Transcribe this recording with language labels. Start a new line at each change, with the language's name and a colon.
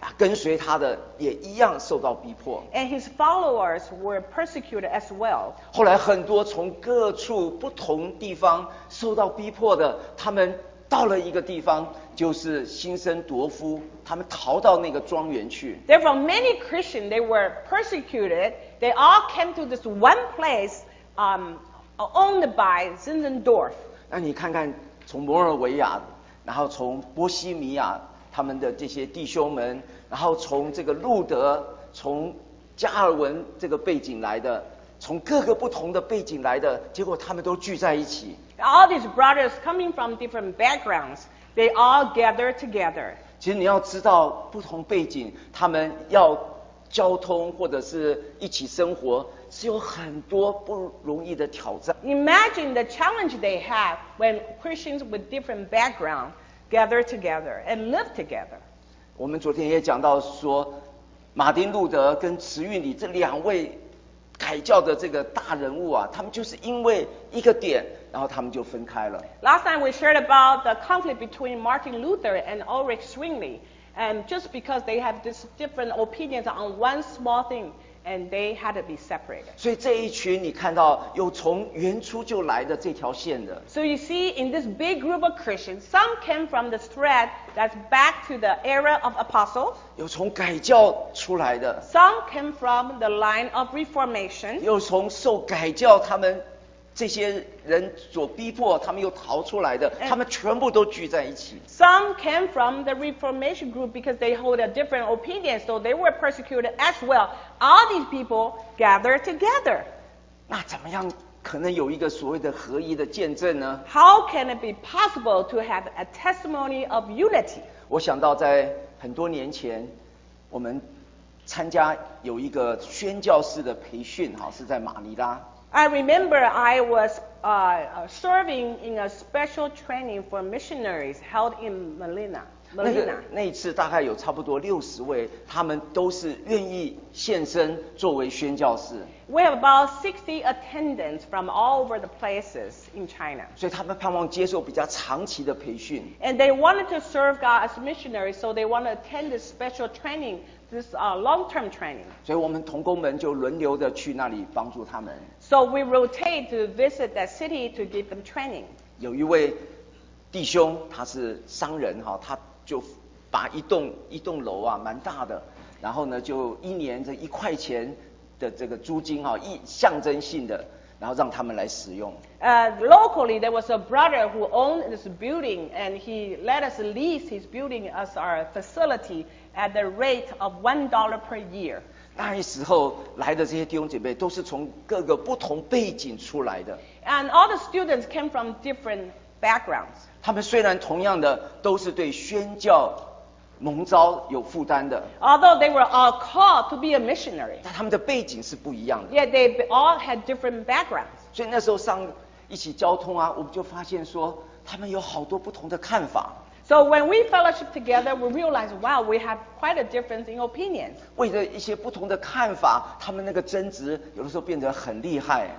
Chinese: 跟随他的也一样受到逼迫。
English: And his followers were persecuted as well.
Chinese: 后来很多从各处不同地方受到逼迫的，他们到了一个地方，就是新生夺夫，他们逃到那个庄园去。
English: Therefore, many Christians they were persecuted. They all came to this one place, owned by Zinzendorf.
Chinese: 那你看看，从摩尔维亚，然后从波西米亚，他们的这些弟兄们，然后从这个路德，从加尔文这个背景来的，从各个不同的背景来的，结果他们都聚在一起。
English: All these brothers coming from different backgrounds, they all gather together.
Chinese: 其实你要知道，不同背景，他们要交通或者是一起生活，是有很多不容易的挑战。
English: Imagine the challenge they have when Christians with different backgrounds gather together and live together.
Chinese: 我们昨天也讲到说，马丁路德跟慈运里这两位改教的这个大人物啊，他们就是因为一个点，然后他们就分开了。
English: Last time we shared about the conflict between Martin Luther and Ulrich Zwingli, and just because they have this different opinions on one small thing, and they had to be separated.
Chinese: 所以这一群你看到有从原初就来的这条线的。
English: So you see, in this big group of Christians, some came from the thread that's back to the era of apostles.
Chinese: 有从改教出来的。
English: Some came from the line of reformation.
Chinese: 有从受改教他们这些人所逼迫他们又逃出来的，他们全部都聚在一起。
English: Some came from the Reformation group because they hold a different opinion, so they were persecuted as well. All these people gathered together.
Chinese: 那怎么样可能有一个所谓的合一的见证呢？
English: How can it be possible to have a testimony of unity?
Chinese: 我想到在很多年前，我们参加有一个宣教士的培训，是在马尼拉。
English: I remember I was serving in a special training for missionaries held in Manila.
Chinese: 那一次大概有差不多六十位，他们都是愿意献身作为宣教士。
English: We have about 60 attendants from all over the places in China.
Chinese: 所以他们盼望接受比较长期的培训。
English: And they wanted to serve God as missionaries, so they want to attend this special training. This long-term training.
Chinese: 所以我们同工们就轮流的去那里帮助他们。
English: So we rotate to visit that city to give them training.
Chinese: 有一位弟兄，他是商人，他就把一栋楼啊，蛮大的，然后呢，就一年这一块钱的这个租金啊，象征性的，然后让他们来使用。
English: Locally, there was a brother who owned this building, and he let us lease his building as our facility. At the rate of $1 per year.
Chinese: 那时候来的这些弟兄姐妹都是从各个不同背景出来的。
English: And all the students came from different backgrounds.
Chinese: 他们虽然同样的都是对宣教蒙召有负担的。
English: Although they were all called to be a missionary.
Chinese: 但他们的背景是不一样的。
English: Yet they all had different backgrounds.
Chinese: 所以那时候上一起交通啊，我们就发现说他们有好多不同的看法。
English: So when we fellowship together, we realize, wow, we have quite a difference in opinions.
Chinese: 为了一些不同的看法，他们那个争执有的时候变得很厉害。